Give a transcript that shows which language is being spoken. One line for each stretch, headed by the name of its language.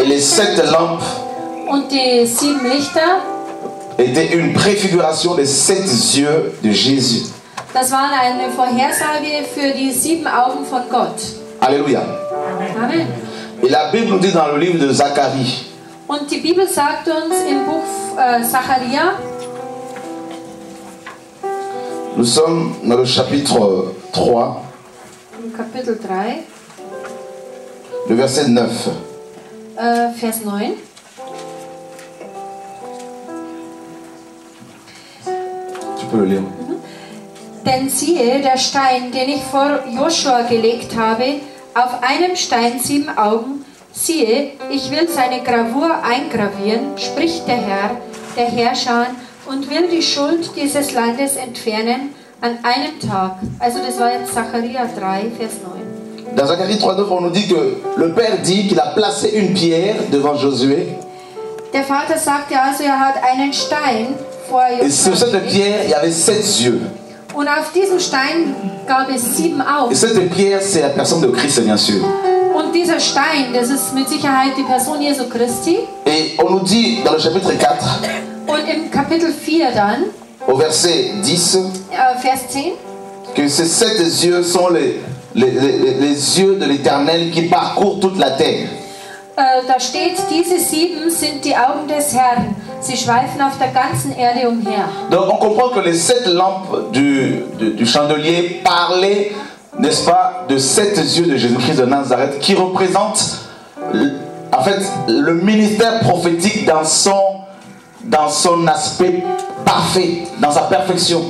French: Et les sept lampes.
German: Und die sieben Lichter.
French: Étaient une préfiguration des sept yeux de Jésus.
German: Das war eine Vorhersage für die sieben Augen von Gott. Alléluia. Amen.
French: Et la Bible nous dit dans le livre de Zacharie.
German: Und die Bibel sagt uns im Buch Zacharia.
French: Nous sommes dans le chapitre 3.
German: Im Kapitel 3.
French: Le verset 9.
German: Vers 9.
French: Tu peux le lire.
German: Denn siehe, der Stein, den ich vor Joshua gelegt habe, auf einem Stein sieben Augen. Siehe, ich will seine Gravur eingravieren, spricht der Herr, der Herrscher, und will die Schuld dieses Landes entfernen an einem Tag. Also das war jetzt Zacharia 3, Vers 9.
French: Dans Zacharie 3, 9, on nous dit que le Père dit qu'il a placé une pierre devant Josué.
German: Der Vater sagte also, er hat einen Stein vor Josué.
French: Et sur cette pierre, il y avait sept yeux.
German: Und auf diesem Stein gab es sieben Augen.
French: Et cette pierre, c'est la personne de Christ, bien sûr.
German: Und dieser Stein, das ist mit Sicherheit die Person Jesu Christi.
French: Et on nous dit dans le chapitre 4.
German: Und im Kapitel 4 dann.
French: Au verset 10.
German: Vers 10.
French: Que ces sept yeux sont les yeux de l'Éternel qui parcourt toute la terre.
German: Da steht, diese sieben sind die Augen des Herrn. Sie schweifen auf der ganzen Erde umher.
French: Donc on comprend que les sept lampes du chandelier parlaient. N'est-ce pas de sept yeux de Jésus-Christ de Nazareth qui représente en fait le ministère prophétique dans son aspect parfait, dans sa perfection.